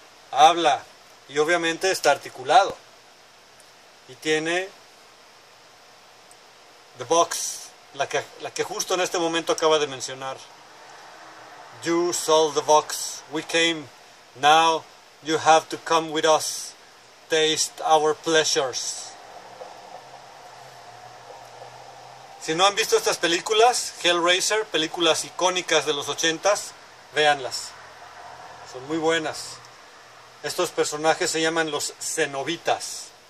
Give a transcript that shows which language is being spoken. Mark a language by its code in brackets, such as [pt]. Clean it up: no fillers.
[es] Habla, y obviamente está articulado, y tiene The Box, la que justo en este momento acaba de mencionar. [en] You sold the box, we came, now you have to come with us, taste our pleasures. [es] Si no han visto estas películas, Hellraiser, películas icónicas de los 80s, véanlas, son muy buenas. Estos personajes se llaman los Cenobitas.